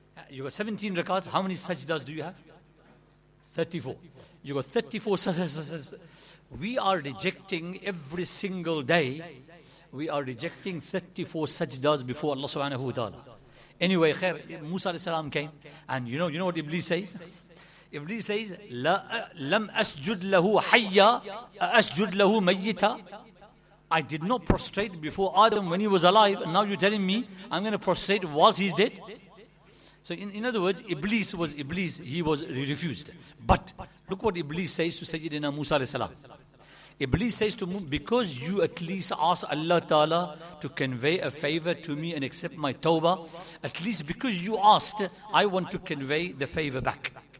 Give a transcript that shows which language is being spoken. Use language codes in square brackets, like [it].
[en] You got 17 rakats, how many sajdas do you have? 34. You got 34 sajdas. We are rejecting every single day. We are rejecting 34 sajdas before Allah subhanahu wa ta'ala. Anyway, khair, Musa alayhi salam came, and you know what Iblis says? Iblis says, [ar] لَمْ أَسْجُدْ لَهُ حَيَّا أَسْجُدْ لَهُ مَيِّتًا. [en] I did not prostrate before Adam when he was alive, and now you're telling me I'm going to prostrate whilst he's dead? So in other words, Iblis, he refused. But look what Iblis says to Sayyidina Musa alayhi salam. Iblis says to Musa, because you at least ask Allah Ta'ala to convey a favor to me and accept my tawbah, at least because you asked, I want to convey the favor back.